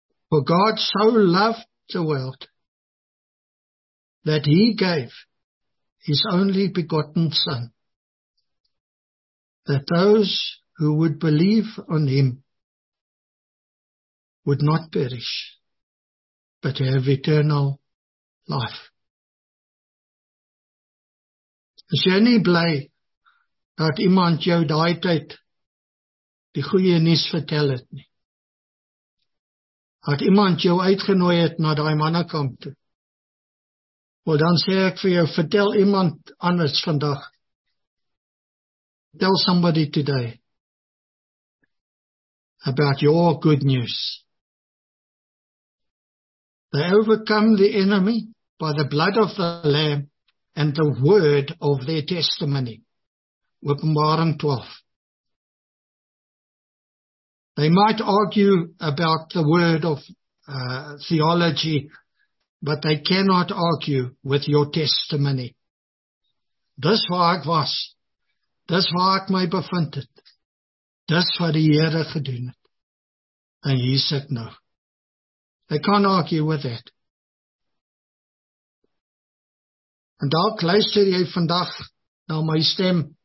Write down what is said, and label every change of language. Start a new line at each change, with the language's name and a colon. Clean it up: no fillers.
English: For God so loved the world that he gave his only begotten son, that those who would believe on him would not perish but have eternal life.
Afrikaans: Is jy nie bly dat iemand jou daai tyd die goeie nuus vertel het nie? dat iemand jou uitgenooi het na die mannekamp toe. Wel dan sê ek vir jou, vertel iemand anders vandag.
English: Tell somebody today about your good news. They overcome the enemy by the blood of the Lamb and the word of their testimony.
Afrikaans: Openbaring 12.
English: They might argue about the word of theology, but they cannot argue with your testimony.
Afrikaans: Dis waar ek was. Dis waar ek my bevind het. Dis wat die Here gedoen het. En hier sit nou.
English: They can't argue with that.
Afrikaans: En dalk luister jy vandag na my stem.